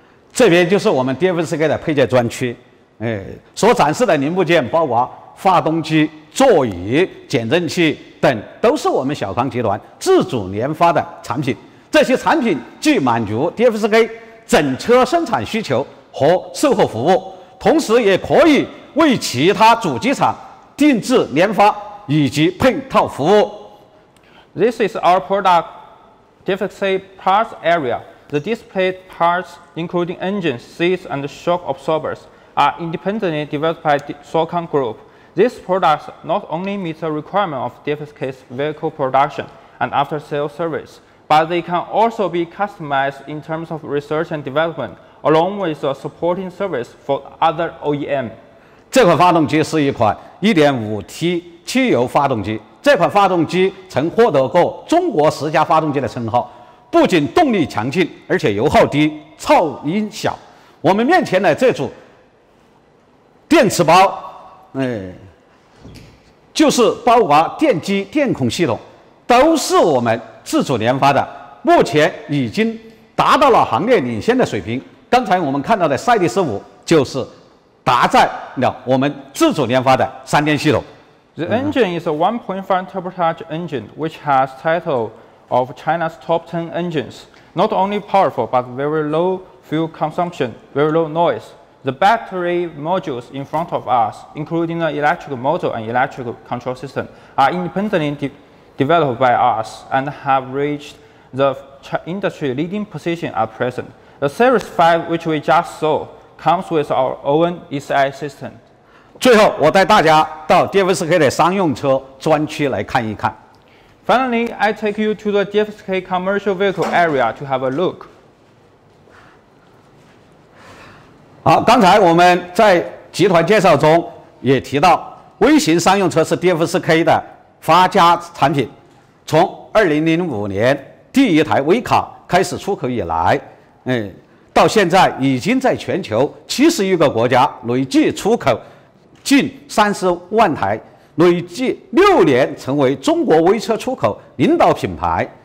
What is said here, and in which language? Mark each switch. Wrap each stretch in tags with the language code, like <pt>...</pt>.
<zh>这边就是我们 DFSK 的配件专区，所展示的零部件包括发动机、座椅、减震器等，都是我们小康集团自主研发的产品。这些产品既满足 DFSK 整车生产需求和售后服务，同时也可以为其他主机厂定制研发以及配套服务。</zh> <en>This is our product DFSK parts area. The display parts, including engines, seats, and shock absorbers, are independently developed by the Socon Group. These products not only meet the requirement of DFSK's vehicle production and after-sales service, but they can also be customized in terms of research and development, along with the supporting service for other OEM.</en> <zh>这款发动机是一款 1.5T 汽油发动机，这款发动机曾获得过中国十佳发动机的称号，不仅动力强劲，而且油耗低，噪音小。我们面前的这组电池包，就是包括电机、电控系统，都是我们自主研发的，目前已经达到了行业领先的水平。刚才我们看到的赛迪斯五就是搭载了我们自主研发的三电系统。</zh> <en>The engine is a 1.5 turbocharged engine, which has title of China's top 10 engines. Not only powerful, but very low fuel consumption, very low noise. The battery modules in front of us, including the electrical motor and electrical control system, are independently developed by us and have reached the industry leading position at present. The Series 5, which we just saw, comes with our own ECI system.</en> <zh>最后，我带大家到 DFSK 的商用车专区来看一看。</zh> <en>Finally, I take you to the DFSK commercial vehicle area to have a look.</en> <zh>好，刚才我们在集团介绍中也提到，微型商用车是 DFSK 的发家产品。从2005年第一台微卡开始出口以来，到现在已经在全球71个国家累计出口近30万台，累计6年成为中国微车出口领导品牌。</zh>